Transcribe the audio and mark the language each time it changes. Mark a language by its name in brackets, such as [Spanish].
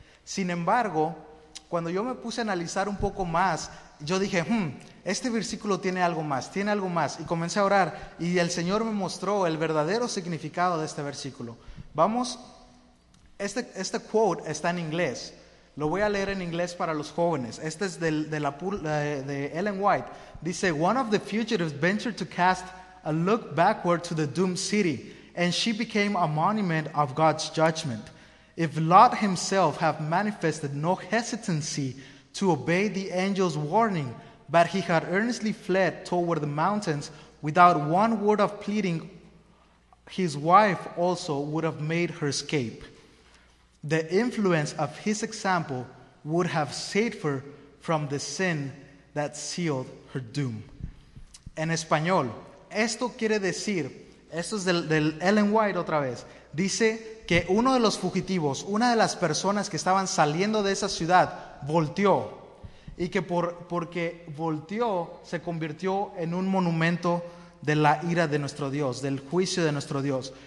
[Spanish] Sin embargo, cuando yo me puse a analizar un poco más, yo dije, este versículo tiene algo más. Y comencé a orar y el Señor me mostró el verdadero significado de este versículo. Vamos, este quote está en inglés. Lo voy a leer en inglés para los jóvenes. Este es de Ellen White. Dice, [English] one of the fugitives ventured to cast a look backward to the doomed city and she became a monument of God's judgment. If Lot himself have manifested no hesitancy to obey the angel's warning, but he had earnestly fled toward the mountains without one word of pleading, his wife also would have made her escape. The influence of his example would have saved her from the sin that sealed her doom. [Spanish] En español, esto quiere decir, esto es del Ellen White otra vez, dice que uno de los fugitivos, una de las personas que estaban saliendo de esa ciudad, volteó y que porque volteó se convirtió en un monumento de la ira de nuestro Dios, del juicio de nuestro Dios.